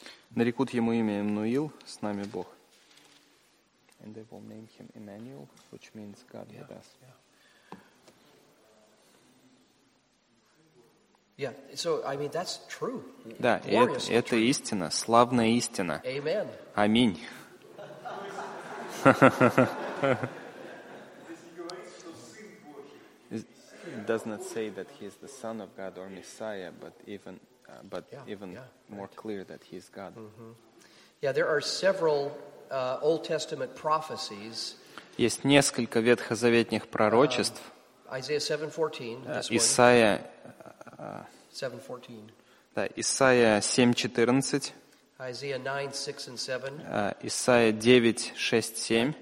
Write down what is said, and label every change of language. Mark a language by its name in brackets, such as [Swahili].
[Russian] Нарекут ему имя Эммануил, с нами Бог. [English] And they will name him Emmanuel, which means God with us. Yeah. So I mean that's true. [Russian] Да, это истина, славная истина. [English] Amen. [Russian] Аминь. [English] Doesn't say that he is the Son of God or Messiah, but even more clear that he is God. Mm-hmm. Yeah, there are several Old Testament prophecies. [Russian] Есть несколько ветхозаветных пророчеств. [English] Isaiah 7:14. [Russian] Исаия. 7:14. Да, Исаия 7:14. [English] Isaiah 9:6-7. [Russian] Исаия 9:6-7.